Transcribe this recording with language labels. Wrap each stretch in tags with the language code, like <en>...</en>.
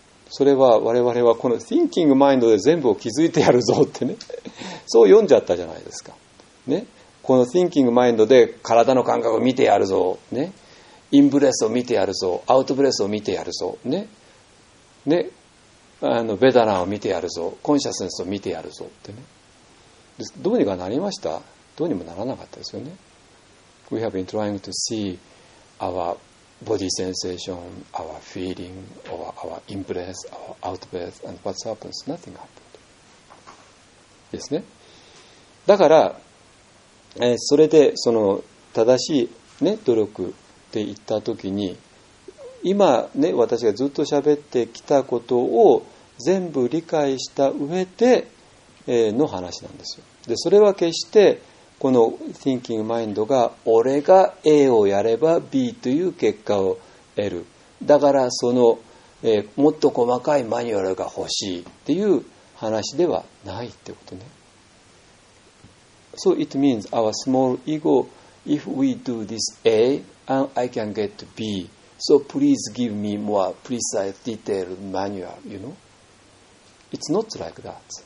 <ja>それは我々はこの thinking mind で全部を築いてやるぞってね、そう読んじゃったじゃないですか、ね、この thinking mind で体の感覚を見てやるぞ、ね、インブレスを見てやるぞ、アウトブレスを見てやるぞ、ねね、あのベダナを見てやるぞ、コンシャスネスを見てやるぞってね。でどうにかなりました。どうにもならなかったですよね。</ja> <en>We have been trying to see our body sensation, our feeling, our in-breath, our out-breath, and what happens? Nothing happened.</en> <ja>ですね。だから、それでその正しい、ね、努力って言ったときに、今、ね、私がずっと喋ってきたことを全部理解した上での話なんですよ。で、それは決してこの thinking mind が俺が A をやれば B という結果を得る、だからその、もっと細かいマニュアルが欲しいっていう話ではないってことね。</ja> <en>So it means our small ego, if we do this A and I can get B, so please give me more precise detailed manual, you knowIt's not like that.</en>